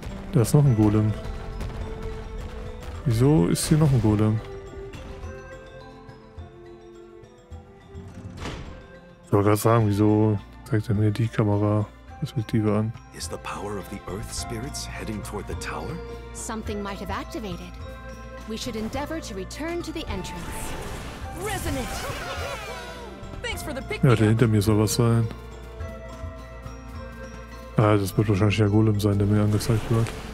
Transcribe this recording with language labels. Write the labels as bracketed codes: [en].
[de] Da ist noch ein Golem. Wieso ist hier noch ein Golem? Ich wollte gerade sagen, wieso zeigt er mir die Kamera Perspektive an? [en] Is the power of the Earth Spirits heading toward the tower? Something might have activated. We should endeavor to return to the entrance. Resonant. Thanks for the picture. [de] Ja, der hinter mir soll was sein. Ah, das wird wahrscheinlich der Golem sein, der mir angezeigt wird.